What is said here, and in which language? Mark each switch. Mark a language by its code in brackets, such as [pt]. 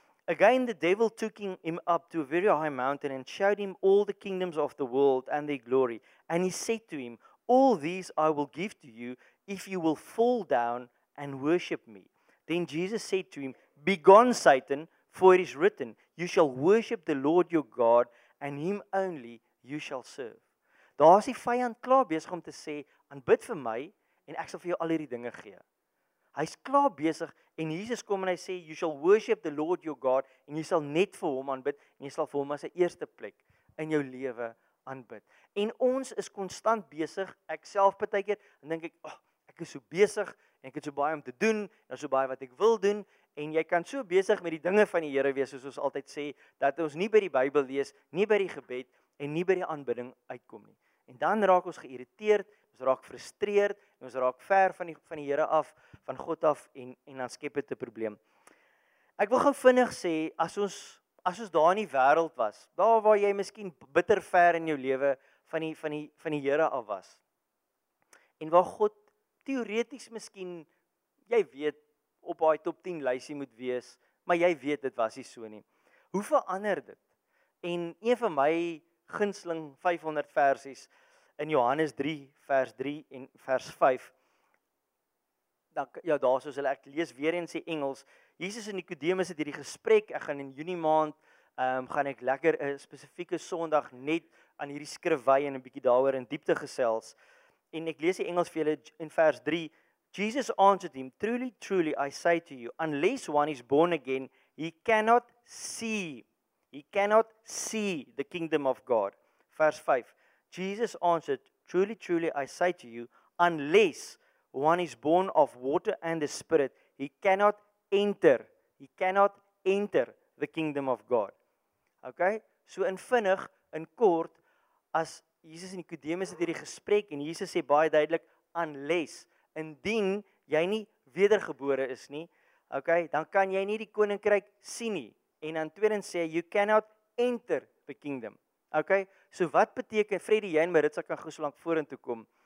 [en] Again the devil took him up to a very high mountain and showed him all the kingdoms of the world and their glory. And he said to him, all these I will give to you if you will fall down and worship me. Then Jesus said to him, begone Satan, for it is written, you shall worship the Lord your God and him only you shall serve. [af] Daar is die vyand klaar besig om te sê, aanbid vir my en ek sal vir jou al hierdie dinge gee. Hy is klaar besig en Jesus kom en hy sê, you shall worship the Lord your God en jy sal net vir hom aanbid en jy sal vir hom as 'n eerste plek in jou lewe aanbid. En ons is konstant besig, ek self partykeer, en dink ek, oh, ek is so besig en ek het so baie om te doen, daar's so baie wat ek wil doen en jy kan so besig met die dinge van die Here wees soos ons altyd sê dat ons nie by die Bybel lees, nie by die gebed en nie by die aanbidding uitkom nie. En dan raak ons geïrriteerd, ons raak frustreerd, ons raak ver van die Here af, van God af en dan skep dit 'n probleem. Ek wil gou vinnig sê as ons daar in die wêreld was, daar waar jy miskien bitter ver in jou lewe van die Here af was. En waar God teoreties miskien jy weet op daai top 10 lysie moet wees, maar jy weet dit was nie so nie. Hoe verander dit? En een van my gunsteling 500 versies in Johannes 3 vers 3 en vers 5. Ek lees weer eens die Engels. Jesus en Nikodemus het hierdie gesprek. Ek gaan in Junie maand gaan ek lekker 'n spesifieke Sondag net aan hierdie skrif wy en 'n bietjie daaroor in diepte gesels. En ek lees die Engels vir julle in vers 3. [en] Jesus answered him, truly, truly, I say to you, unless one is born again, he cannot see the kingdom of God. Vers 5. Jesus answered, truly, truly, I say to you, unless one is born of water and the Spirit, he cannot enter the kingdom of God. Okay? [af] So in vinnig, in kort, as Jesus en Nikodemus het hierdie gesprek en Jesus sê baie duidelik, unless, indien jy nie wedergebore is nie, okay, dan kan jy nie die koninkryk sien nie. En dan tweedens sê, you cannot enter the kingdom. Okay, so wat beteken, Freddie, jy en Maritza kan goed so lank vorentoe kom.